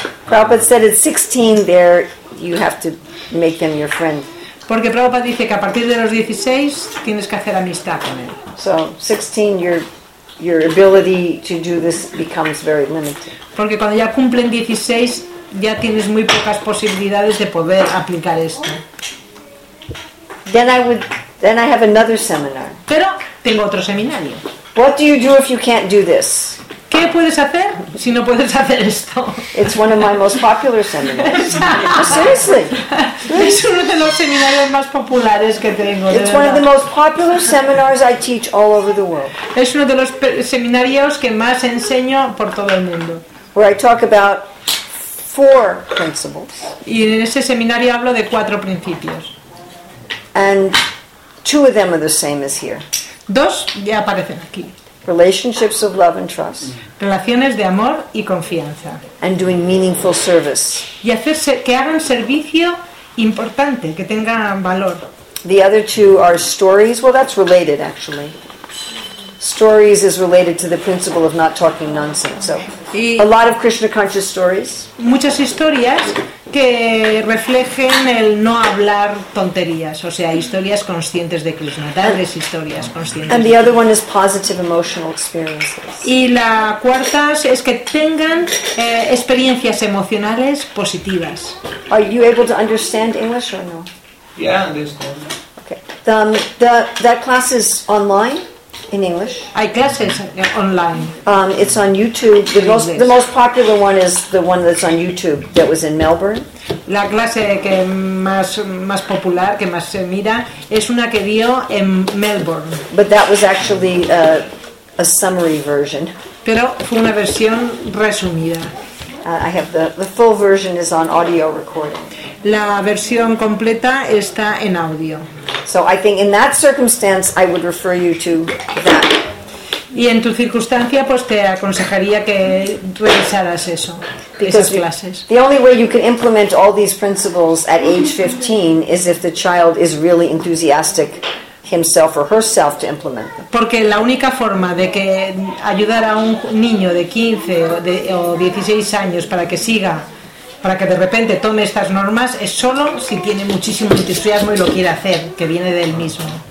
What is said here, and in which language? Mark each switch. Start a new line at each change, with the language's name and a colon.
English: Prabhupada said at 16 there you have to make them your friend.
Spanish: Porque Prabhupada dice que a partir de los 16 tienes que hacer amistad con él.
English: So 16 you're your ability to do this becomes very limited.
Spanish: Porque cuando ya cumplen 16 ya tienes muy pocas posibilidades de poder aplicar esto.
English: Then I have another seminar.
Spanish: Pero tengo otro seminario.
English: What do you do if you can't do this?
Spanish: ¿Qué puedes hacer si no puedes hacer esto?
English: It's one of my most popular seminars. Seriously.
Spanish: Es uno de los seminarios más populares que tengo.
English: It's one of the most popular seminars I teach all over the world.
Spanish: Es uno de los seminarios que más enseño por todo el mundo.
English: Where I talk about four principles.
Spanish: Y en ese seminario hablo de cuatro principios.
English: And two of them are the same as here.
Spanish: Dos ya aparecen aquí.
English: Relationships of love and trust.
Spanish: Relaciones de amor y confianza.
English: And doing meaningful service.
Spanish: Y hacerse que hagan servicio importante, que tenga valor.
English: The other two are stories. Well, that's related, actually. Stories is related to the principle of not talking nonsense. So, y a lot of Krishna conscious stories.
Spanish: Muchas historias que reflejen el no hablar tonterías, o sea, historias conscientes de Krishna, tales historias conscientes.
English: And the other one is positive emotional experiences.
Spanish: Y la cuarta es que tengan experiencias emocionales positivas.
English: Are you able to understand English or no? Yeah, I understand. Okay. That class is online. In English.
Spanish: Hay clases online.
English: It's on YouTube. The most popular one is the one that's on YouTube that was in Melbourne.
Spanish: La clase que más popular, que más se mira, es una que dio en Melbourne.
English: But that was actually a summary version.
Spanish: Pero fue una versión resumida.
English: I have the full version is on audio recording.
Spanish: La versión completa está en audio.
English: So I think in that circumstance I would refer you to that.
Spanish: Y en tu circunstancia pues te aconsejaría que revisaras eso, esas clases.
English: The only way you can implement all these principles at age 15 is if the child is really enthusiastic himself or herself to implement them.
Spanish: Porque la única forma de que ayudar a un niño de 15 o 16 años para que siga, para que de repente tome estas normas, es solo si tiene muchísimo entusiasmo y lo quiere hacer, que viene de él mismo.